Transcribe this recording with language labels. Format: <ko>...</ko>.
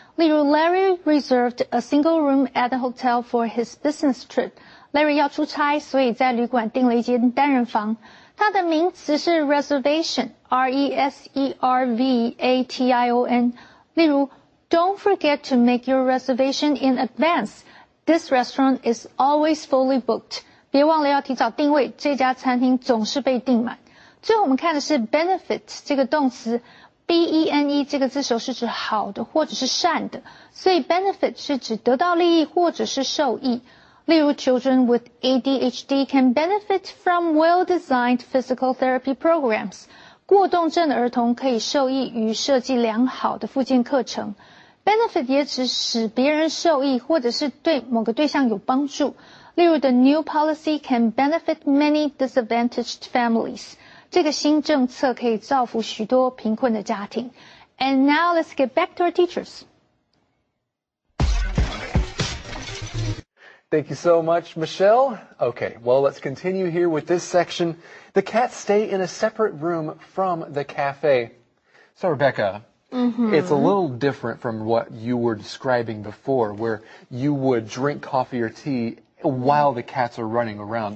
<zh>例如</zh> <en>,Larry reserved a single room at the hotel for his business trip.</en> <zh>Larry 要出差所以在旅馆订了一间单人房。它的名词是 reservation,reservation。例如</zh> <en>,don't forget to make your reservation in advance. This restaurant is always fully booked.</en> <zh>别忘了要提早定位，这家餐厅总是被订满。最后我们看的是 benefit 这个动词 ,bene 这个字首是指好的或者是善的。所以 benefit 是指得到利益或者是受益。例如</zh> <en>,children with ADHD can benefit from well-designed physical therapy programs.</en> <zh>过动症的儿童可以受益于设计良好的复健课程。 benefit 也指使别人受益或者是对某个对象有帮助。例如</zh> <en>,the new policy can benefit many disadvantaged families.</en> <zh>这个新政策可以造福许多贫困的家庭。</zh> <en>And now let's get back to our teachers. Thank you so much, Michelle. Okay, well, let's continue here with this section. The cats stay in a separate room from the cafe. So, Rebecca, It's a little different from what you were describing before, where you would drink coffee or tea while the cats are running around.</en>